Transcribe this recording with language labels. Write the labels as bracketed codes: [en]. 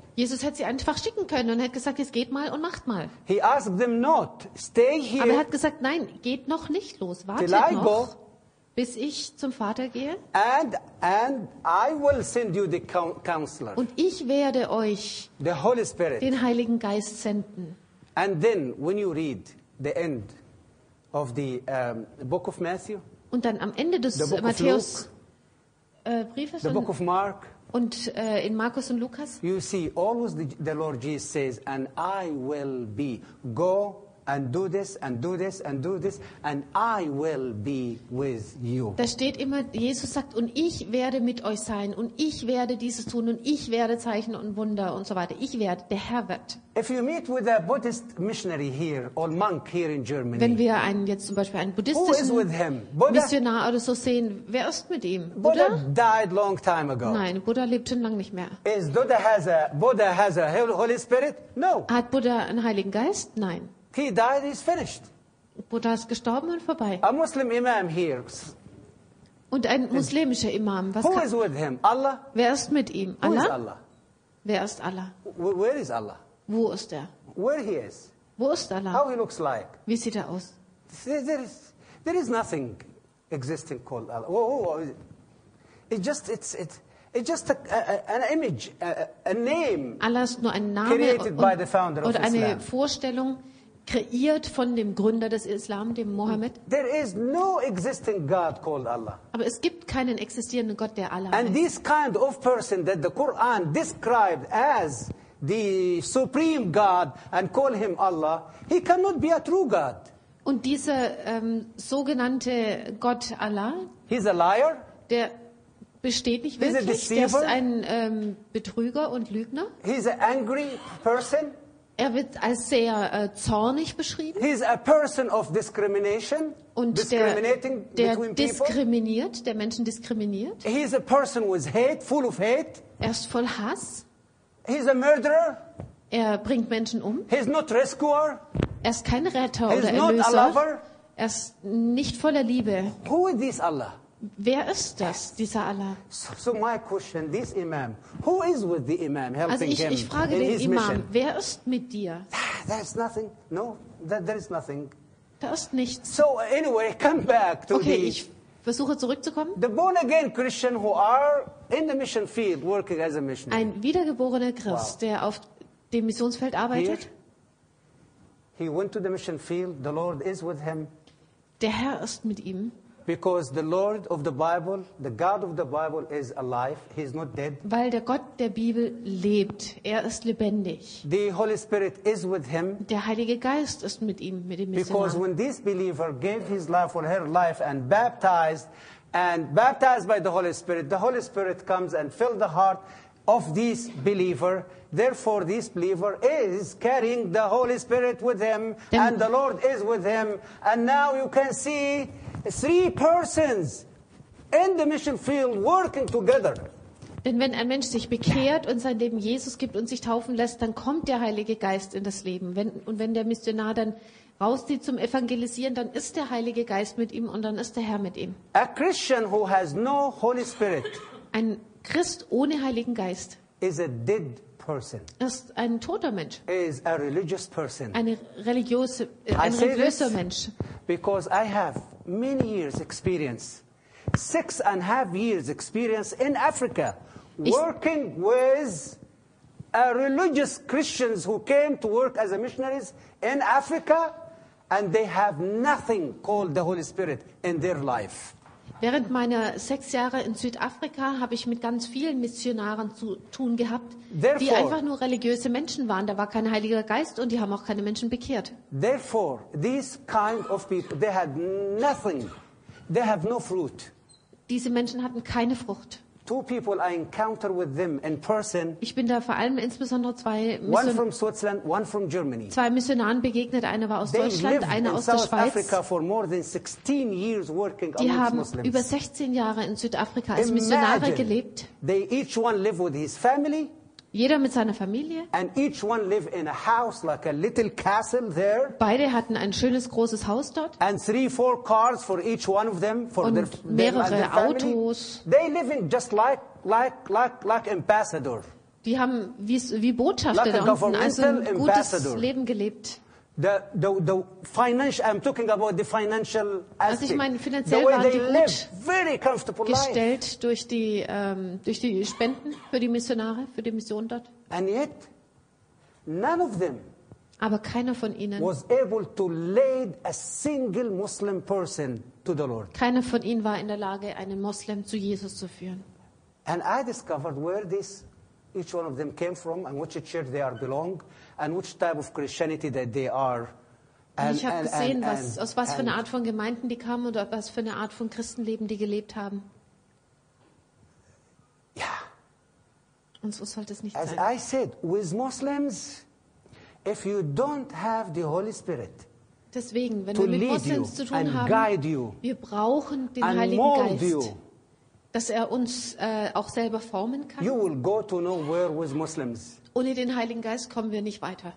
[de] Jesus hätte sie einfach schicken können und hätte gesagt, jetzt geht mal und macht mal. [en] He asked them not, stay here. [de] Aber er hat gesagt, nein, geht noch nicht los, wartet noch, go, bis ich zum Vater gehe. [en] And I will send you the counselor. [de] Und ich werde euch [en] the Holy Spirit [de] den Heiligen Geist senden. [en] And then when you read the end of the book of Matthew, [de] und dann am Ende des Matthäus Briefes, [en] the book of Mark, [de] und in Markus und Lukas, [en] you see always the Lord Jesus says, and I will be, go and do this and do this and do this, and I will be with you. [de] Da steht immer, Jesus sagt, und ich werde mit euch sein, und ich werde dieses tun, und ich werde Zeichen und Wunder und so weiter. Ich werde, der Herr wird. [en] If you meet with a Buddhist missionary here or monk here in Germany, [de] wenn wir einen jetzt zum Beispiel einen buddhistischen Missionar oder so sehen, wer ist mit ihm? [en] Buddha? Buddha died long time ago. [de] Nein, Buddha lebt schon lange nicht mehr. [en] Is Buddha has a Holy Spirit? No. [de] Hat Buddha einen Heiligen Geist? Nein. [en] He died, he's finished. [de] Buddha ist gestorben und vorbei. [en] A Muslim Imam here. [de] Und ein muslimischer Imam. Was [en] who is with him? Allah? [de] Wer ist mit ihm? Allah? [en] Who is Allah? [de] Wer ist Allah? [en] Where is Allah? [de] Wo ist er? [en] Where he is? [de] Wo ist Allah? [en] How he looks like? [de] Wie sieht er aus? [en] There is nothing existing called Allah. It's just an image, a name. [de] Allah ist nur ein Name [en] created by the founder [de] oder [en] of [de] eine [en] Islam. [de] Vorstellung kreiert von dem Gründer des Islam, dem Mohammed. [en] There is no existing God called Allah. [de] Aber es gibt keinen existierenden Gott, der Allah [en] And [de] heißt. [en] This kind of person that the Quran described as the supreme God and call him Allah, he cannot be a true God. [de] Und dieser sogenannte Gott Allah, [en] he's a liar. [de] Der besteht nicht wirklich. [en] He's a deceiver. [de] Der ist ein Betrüger und Lügner. [en] He's an angry person. [de] Er wird als sehr zornig beschrieben. [en] He's a person of discrimination. [de] Und der diskriminiert, der Menschen diskriminiert. [en] He's a person with hate, full of hate. [de] Er ist voll Hass. [en] He's a murderer. [de] Er bringt Menschen um. [en] He's not rescuer. [de] Er ist kein Retter oder Erlöser. [en] He's not a lover. [de] Er ist nicht voller Liebe. [en] Who is this Allah? [de] Wer ist das, dieser Allah? [en] So my question, this Imam, who is with the Imam helping [de] also ich, [en] him? [de] Also ich frage den Imam, wer ist mit dir? [en] There's nothing. No, there is nothing. [de] Da ist nichts. [en] So anyway, come back to [de] okay, ich versuche zurückzukommen. [en] The born again Christian who are in the mission field working as a missionary. [de] Ein wiedergeborener Christ, wow. Der auf dem Missionsfeld arbeitet. [en] Here, he went to the mission field, the Lord is with him. [de] Der Herr ist mit ihm. [en] Because the Lord of the Bible, the God of the Bible is alive, he is not dead. [de] Weil der Gott der Bibel lebt, er ist lebendig. [en] The Holy Spirit is with him. [de] Der Heilige Geist ist mit ihm, mit dem Missionar. [en] Because when this believer gave his life or her life and baptized by the Holy Spirit comes and fills the heart of this believer. Therefore, this believer is carrying the Holy Spirit with him, and the Lord is with him. And now you can see three persons in the mission field working together. [de] Denn wenn ein Mensch sich bekehrt und sein Leben Jesus gibt und sich taufen lässt, dann kommt der Heilige Geist in das Leben. Wenn der Missionar dann rauszieht zum Evangelisieren, dann ist der Heilige Geist mit ihm und dann ist der Herr mit ihm. [en] A Christian who has no Holy Spirit. [de] Ein Christ ohne Heiligen Geist. [en] Is a dead person. [de] Ist ein toter Mensch. [en] Is a religious person. [de] Ein religiöser Mensch. [en] Because I have many years experience, 6.5 years experience in Africa, working with religious Christians who came to work as missionaries in Africa, and they have nothing called the Holy Spirit in their life. [de] Während meiner 6 Jahre in Südafrika habe ich mit ganz vielen Missionaren zu tun gehabt, [en] therefore, [de] die einfach nur religiöse Menschen waren. Da war kein Heiliger Geist und die haben auch keine Menschen bekehrt. [en] Therefore, these kind of people, they had nothing. They have no fruit. [de] Diese Menschen hatten keine Frucht. [en] Two people I encounter with them in person. [de] Ich bin da vor allem insbesondere zwei Missionaren begegnet. Einer war aus Deutschland, einer aus der Schweiz. Die haben über 16 Jahre in Südafrika als Missionare gelebt. [en] They each one live with his family. [de] Jeder mit seiner Familie. [en] And each one live in a house like a little castle there. [de] Beide hatten ein schönes großes Haus dort. [en] And 3-4 cars for each one of them for [de] und [en] their [de] mehrere [en] their [de] Autos. [en] They live in just like ambassador. [de] Die haben wie Botschafter [en] like [de] da unten also ein [en] ambassador. [de] Gutes Leben gelebt. [en] The financial, I'm talking about the financial aspect. [de] Also ich meine finanziell waren die gut [en] very comfortable [de] gestellt durch die Spenden für die Missionare, für die Mission dort. [en] And yet, none of them [de] aber keiner von ihnen [en] was able to lead a single Muslim person to the Lord. [de] Keiner von ihnen war in der Lage, einen Muslim zu Jesus zu führen. [en] And I discovered where this each one of them came from and which church they are belong. And which type of Christianity that they are. [de] And, ich habe gesehen, aus was für eine Art von Gemeinden die kamen oder was für eine Art von Christenleben die gelebt haben. Ja. Und so sollte es nicht [en] As [de] sein. [en] As I said, with Muslims, if you don't have the Holy Spirit, [de] deswegen, wenn wir mit Muslims zu tun haben, [en] guide you, [de] wir brauchen den Heiligen Geist, you, dass er uns auch selber formen kann. [en] You will go to nowhere with Muslims. [de] Ohne den Heiligen Geist kommen wir nicht weiter.